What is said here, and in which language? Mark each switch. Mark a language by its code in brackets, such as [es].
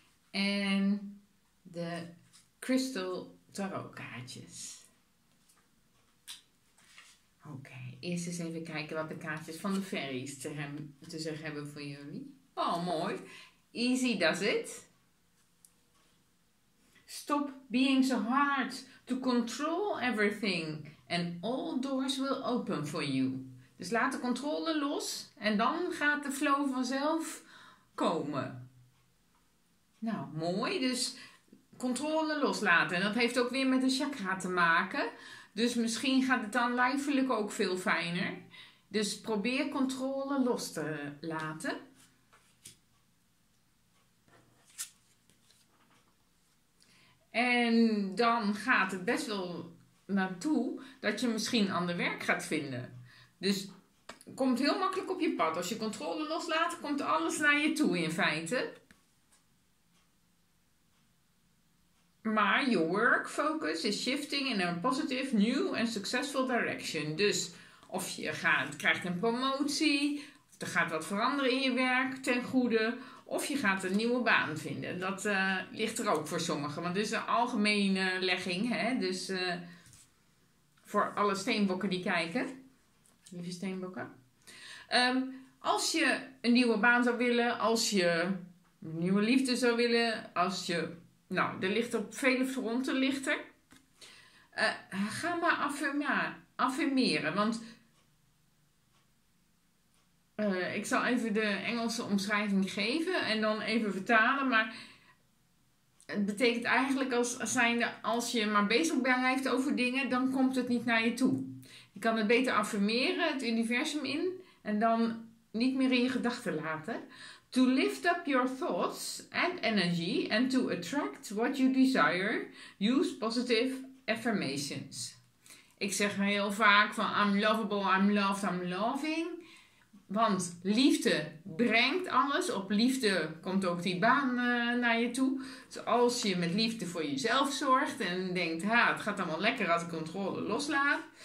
[nl] En de crystal tarotkaartjes. Oké, eerst eens even kijken wat de kaartjes van de fairies te zeggen hebben voor jullie. [en] Oh, mooi. Easy does it. Stop being so hard to control everything and all doors will open for you. [nl] Dus laat de controle los en dan gaat de flow vanzelf komen. Nou, mooi. Dus controle loslaten. En dat heeft ook weer met de chakra te maken. Dus misschien gaat het dan lijfelijk ook veel fijner. Dus probeer controle los te laten. En dan gaat het best wel naartoe dat je misschien ander werk gaat vinden. Dus komt heel makkelijk op je pad. Als je controle loslaat, komt alles naar je toe in feite. [en] Maar your work focus is shifting in a positive, new and successful direction. [nl] Dus of je krijgt een promotie, of er gaat wat veranderen in je werk ten goede. Of je gaat een nieuwe baan vinden. Dat ligt er ook voor sommigen. Want het is een algemene legging. Hè? Dus voor alle steenbokken die kijken. Lieve steenbokken. Als je een nieuwe baan zou willen. Als je een nieuwe liefde zou willen. Als je... Nou, er ligt op vele fronten lichter. Ga maar affirmeren. Want ik zal even de Engelse omschrijving geven en dan even vertalen. Maar het betekent eigenlijk als je maar bezig blijft over dingen, dan komt het niet naar je toe. Je kan het beter affirmeren, het universum in, en dan niet meer in je gedachten laten. [en] To lift up your thoughts and energy and to attract what you desire, use positive affirmations. [nl] Ik zeg heel vaak van [en] I'm lovable, I'm loved, I'm loving. [nl] Want liefde brengt alles. Op liefde komt ook die baan naar je toe. Dus als je met liefde voor jezelf zorgt en denkt, ha, het gaat allemaal lekker als ik controle loslaat.